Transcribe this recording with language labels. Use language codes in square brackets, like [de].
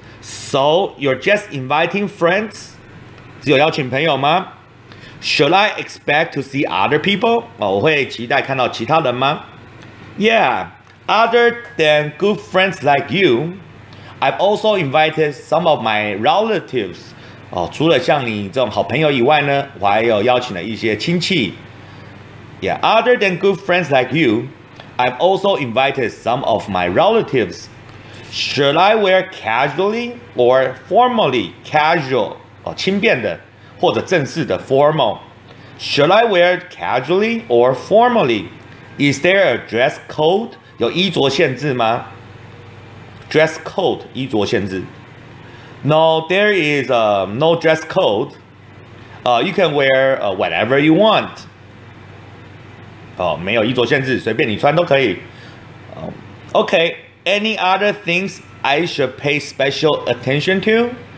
[en] So, you're just inviting friends? [zh] 只有邀请朋友吗 [en] Should I expect to see other people? [zh] 我会期待看到其他人吗 Yeah. [en] Other than good friends like you, I've also invited some of my relatives. [zh] 除了像你这种好朋友以外呢，我还有邀请了一些亲戚。 [en] Yeah, other than good friends like you, I've also invited some of my relatives. Should I wear casually or formally? [zh] Casual, 轻便的或者正式的 formal. [en] Should I wear casually or formally? Is there a dress code? [zh] 有衣着限制吗 [en] dress code 衣着限制。No, there is no dress code. You can wear whatever you want. [zh] 没有衣着限制，随便你穿都可以。 [en] Okay, any other things I should pay special attention to?